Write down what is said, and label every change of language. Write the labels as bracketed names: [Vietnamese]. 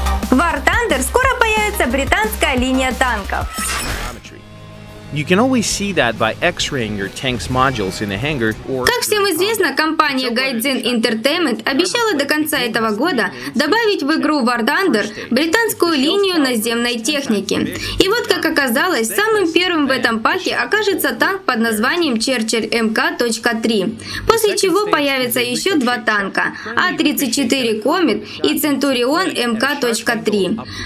[Russian] War Thunder скоро появится британская линия танков. [English] You can always see that by X-raying your tank's modules in the hangar or... [Russian] Как всем известно, компания Gaijin Entertainment обещала до конца этого года добавить в игру War Thunder британскую линию наземной техники. И вот как оказалось, самым первым в этом паке окажется танк под названием Churchill MK.3, после чего появятся еще два танка – А-34 Comet и Centurion MK.3.